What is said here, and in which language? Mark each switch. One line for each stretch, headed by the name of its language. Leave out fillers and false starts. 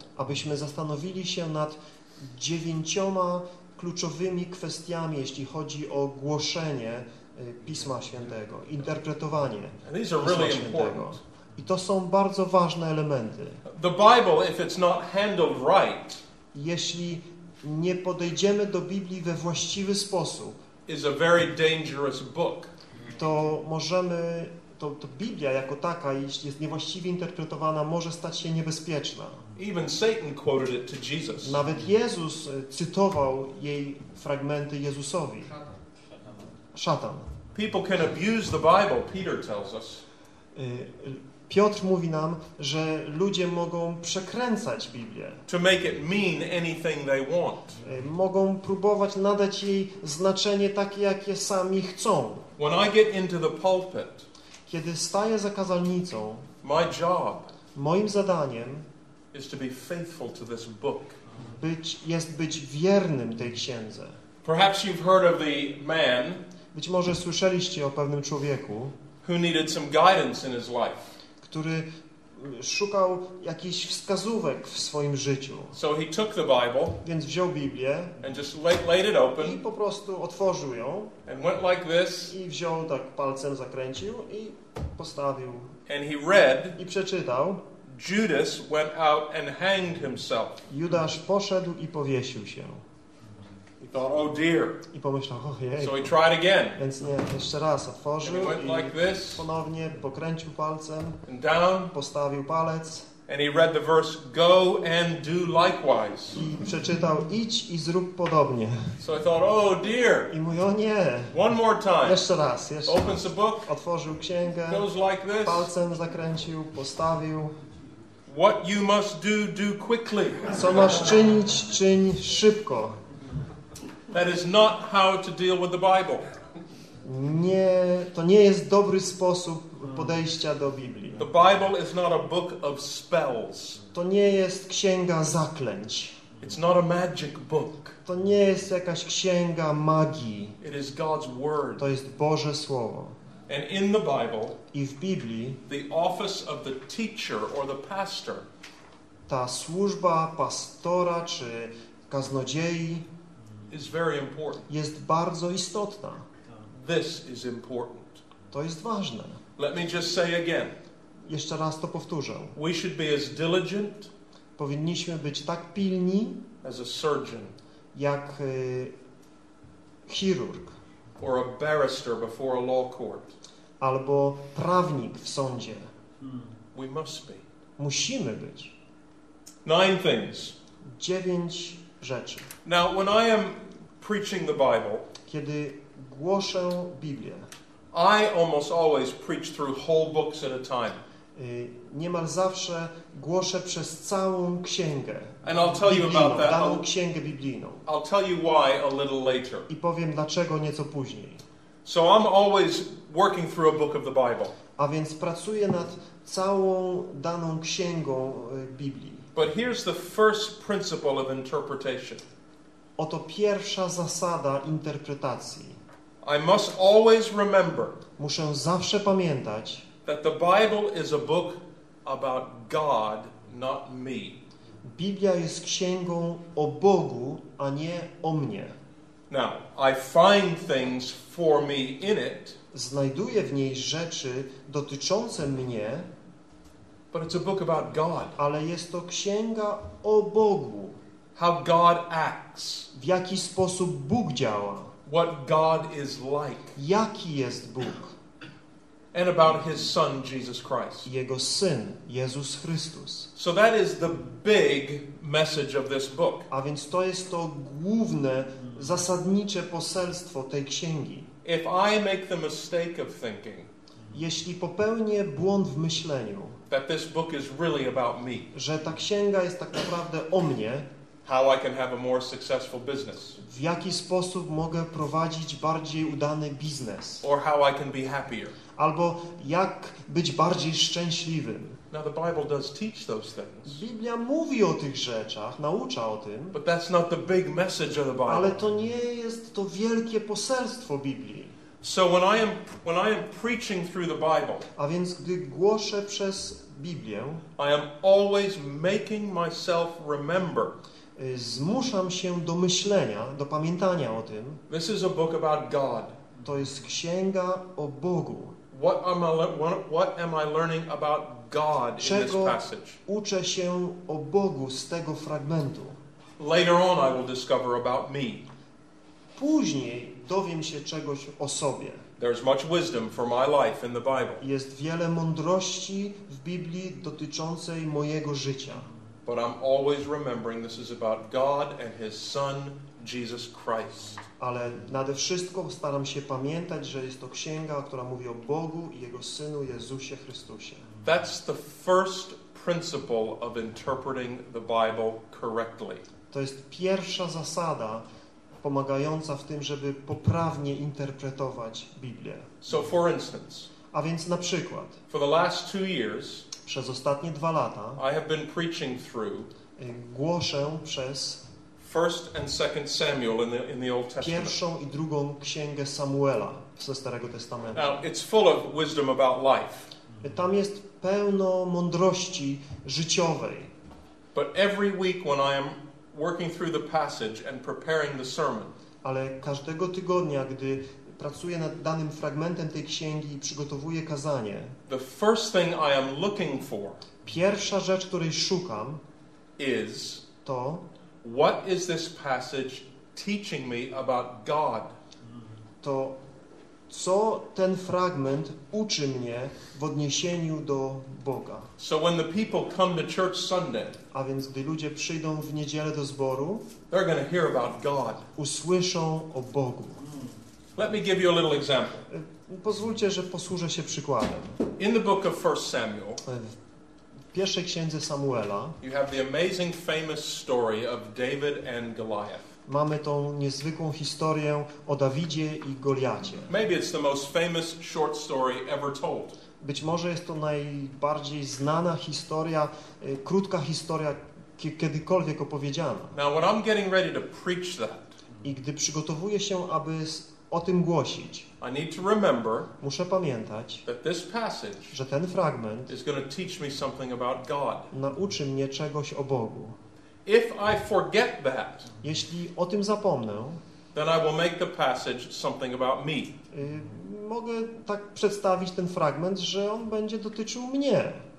Polish: Abyśmy zastanowili się nad 9 kluczowymi kwestiami, jeśli chodzi o głoszenie Pisma Świętego, interpretowanie Pisma
English: really
Polish: Świętego. I to są bardzo ważne elementy.
English: The Bible, if it's not handled right,
Polish: jeśli nie podejdziemy do Biblii we właściwy sposób,
English: is a very dangerous book.
Polish: To możemy, to Biblia jako taka, jeśli jest niewłaściwie interpretowana, może stać się niebezpieczna.
English: Even Satan quoted it to Jesus.
Polish: Nawet Jezus cytował jej fragmenty Jezusowi. Szatan.
English: People can abuse the Bible, Peter tells us.
Polish: Piotr mówi nam, że ludzie mogą przekręcać Biblię.
English: To make it mean anything they want.
Polish: Mogą próbować nadać jej znaczenie takie, jakie sami chcą.
English: When I get into the pulpit,
Polish: kiedy staję za kazalnicą,
English: my job,
Polish: moim zadaniem
English: is to be faithful to this book.
Polish: Jest być wiernym tej księdze.
English: Perhaps you've heard of the man,
Polish: być może słyszeliście o pewnym człowieku,
English: who needed some guidance in his life,
Polish: który szukał jakichś wskazówek w swoim życiu.
English: So he took the Bible,
Polish: więc wziął Biblię,
English: and just laid it open,
Polish: i po prostu otworzył ją,
English: and went like this,
Polish: i wziął tak palcem, zakręcił i postawił.
English: And he read,
Polish: i przeczytał,
English: Judas went out and hanged himself.
Polish: Judasz poszedł i powiesił się.
English: He thought, oh dear.
Polish: I pomyślał, oh jej.
English: So he tried again.
Polish: Więc nie, jeszcze raz otworzył
English: and he went like this,
Polish: ponownie pokręcił palcem,
English: and down,
Polish: postawił palec,
English: And he read the verse, "Go and do likewise."
Polish: I przeczytał, idź i zrób podobnie.
English: So I thought, oh dear.
Polish: I mówię, o nie.
English: One more time.
Polish: Jeszcze raz, jeszcze
English: Opens
Polish: raz.
English: The book.
Polish: Otworzył księgę.
English: Goes like this.
Polish: Palcem zakręcił, postawił.
English: What you must do, do quickly.
Polish: Co masz czynić, czyń szybko.
English: That is not how to deal with the Bible.
Polish: Nie, to nie jest dobry sposób podejścia do Biblii.
English: The Bible is not a book of spells.
Polish: To nie jest księga zaklęć.
English: It's not a magic book.
Polish: To nie jest jakaś księga magii.
English: It is God's word.
Polish: To jest Boże słowo.
English: And in the Bible,
Polish: i w Biblii,
English: the office of the teacher or the pastor,
Polish: ta służba pastora czy kaznodziei,
English: is very important.
Polish: Jest bardzo istotna.
English: This is important.
Polish: To jest ważne.
English: Let me just say again.
Polish: Jeszcze raz to powtórzę.
English: We should be as diligent.
Polish: Powinniśmy być tak pilni.
English: As a surgeon.
Polish: Jak chirurg.
English: Or a barrister before a law court.
Polish: Albo prawnik w sądzie.
English: We must be.
Polish: Musimy być.
English: Nine things.
Polish: Dziewięć rzeczy.
English: Now, when I am preaching the Bible.
Polish: Kiedy głoszę Biblię.
English: I almost always preach through whole books at a time.
Polish: Niemal zawsze głoszę przez całą księgę.
English: And I'll tell you about that.
Polish: Daną księgę biblijną.
English: I'll tell you why a little later.
Polish: I powiem dlaczego nieco później.
English: So I'm always working through a book of the Bible.
Polish: A więc pracuję nad całą daną księgą Biblii.
English: But here's the first principle of interpretation.
Polish: Oto pierwsza zasada interpretacji.
English: I must always remember.
Polish: Muszę zawsze pamiętać,
English: that the Bible is a book about God, not me.
Polish: Biblia jest księgą o Bogu, a nie o mnie.
English: Now, I find things for me in it.
Polish: Znajduję w niej rzeczy dotyczące mnie.
English: But it's a book about God.
Polish: Ale jest to księga o Bogu.
English: How God acts.
Polish: W jaki sposób Bóg działa.
English: What God is like.
Polish: Jaki jest Bóg.
English: And about his son Jesus Christ.
Polish: Jego syn Jezus Chrystus.
English: So that is the big message of this book.
Polish: A więc to jest to główne, zasadnicze poselstwo tej księgi.
English: If I make the mistake of thinking.
Polish: Jeśli popełnię błąd w myśleniu.
English: That this book is really about me.
Polish: Że ta księga jest tak naprawdę o mnie.
English: How I can have a more successful business.
Polish: W jaki sposób mogę prowadzić bardziej udany biznes.
English: Or how I can be happier.
Polish: Albo jak być bardziej szczęśliwym.
English: Now the Bible does teach those things.
Polish: Biblia mówi o tych rzeczach, naucza o tym.
English: But that's not the big message of the Bible.
Polish: Ale to nie jest to wielkie poselstwo Biblii.
English: So when I am preaching through the Bible.
Polish: A więc gdy głoszę przez Biblię,
English: I am always making myself remember.
Polish: Zmuszam się do myślenia, do pamiętania o tym.
English: This is a book about God.
Polish: To jest księga o Bogu.
English: What am I learning about God in this passage?
Polish: Uczę się o Bogu z tego fragmentu.
English: Later on I will discover about me.
Polish: Później dowiem się czegoś o sobie.
English: There's much wisdom for my life in the Bible.
Polish: Jest wiele mądrości w Biblii dotyczącej mojego życia.
English: But I'm always remembering this is about God and his son Jesus Christ.
Polish: Ale nade wszystko staram się pamiętać, że jest to księga, która mówi o Bogu i jego synu Jezusie Chrystusie.
English: That's the first principle of interpreting the Bible correctly.
Polish: To jest pierwsza zasada pomagająca w tym, żeby poprawnie interpretować Biblię.
English: So for instance,
Polish: a więc na przykład,
English: for the last 2 years,
Polish: przez ostatnie 2 lata
English: I have been preaching through
Polish: głoszę przez
English: First and Second Samuel in the Old Testament.
Polish: Pierwszą i drugą księgę Samuela ze Starego Testamentu.
English: Now, it's full of wisdom about life.
Polish: Tam jest pełno mądrości życiowej.
English: But every week when I am working through the passage and preparing the sermon.
Polish: Ale każdego tygodnia, gdy pracuję nad danym fragmentem tej księgi i przygotowuję kazanie.
English: The first thing I am looking for.
Polish: Pierwsza rzecz, której szukam,
English: is
Polish: to
English: what is this passage teaching me about God?
Polish: To Co ten fragment uczy mnie w odniesieniu do Boga?
English: So when the people come to church Sunday,
Polish: a więc gdy ludzie przyjdą w niedzielę do zboru,
English: they're going to hear about God.
Polish: Usłyszą o Bogu.
English: Let me give you a little example.
Polish: Pozwólcie, że posłużę się przykładem.
English: In the book of 1 Samuel,
Polish: w pierwszej księdze Samuela,
English: you have the amazing famous story of David and Goliath.
Polish: Mamy tą niezwykłą historię o Dawidzie i Goliacie.
English: Maybe it's the most famous short story ever told.
Polish: Być może jest to najbardziej znana historia, krótka historia kiedykolwiek opowiedziana.
English: Now, when I'm getting ready to preach that,
Polish: i gdy przygotowuję się, aby o tym głosić,
English: I need to remember,
Polish: muszę pamiętać,
English: that this passage,
Polish: że ten fragment
English: is going to teach me something about God.
Polish: Nauczy mnie czegoś o Bogu.
English: If I forget that,
Polish: jeśli o tym zapomnę,
English: then I will make the passage something about me.
Polish: Mogę tak przedstawić ten fragment, że on będzie dotyczył mnie.